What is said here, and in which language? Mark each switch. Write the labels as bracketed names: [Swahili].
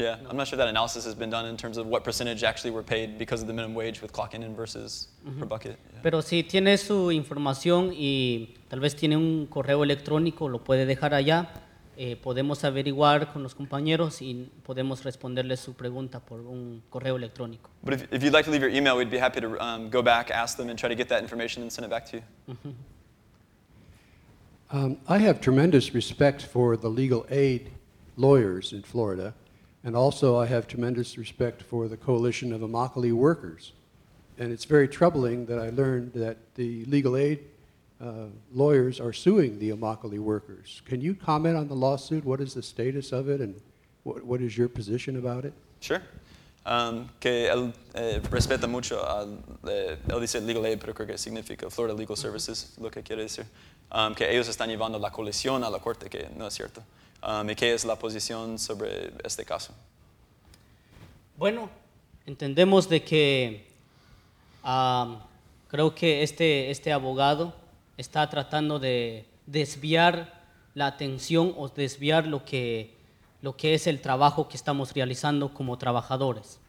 [English] I'm not sure that analysis has been done in terms of what percentage actually were paid because of the minimum wage with clock in versus per bucket. Yeah. [Spanish] Pero si tiene su información y tal vez tiene un correo electrónico, lo puede dejar allá. Podemos averiguar con los compañeros y podemos responderle su pregunta por un correo electrónico. [English] But if you'd like to leave your email, we'd be happy to go back, ask them, and try to get that information and send it back to you. I have tremendous respect for the legal aid lawyers in Florida. And also, I have tremendous respect for the coalition of Immokalee workers. And it's very troubling that I learned that the legal aid lawyers are suing the Immokalee workers. Can you comment on the lawsuit? What is the status of it, and what is your position about it? Sure. [Spanish] Que él respeta mucho él dice legal aid, pero creo que significa Florida Legal Services, lo que quiere decir. Que ellos están llevando la coalición a la corte, que no es cierto. ¿Y qué es la posición sobre este caso? Bueno, entendemos de que creo que este abogado está tratando de desviar la atención o desviar lo que es el trabajo que estamos realizando como trabajadores.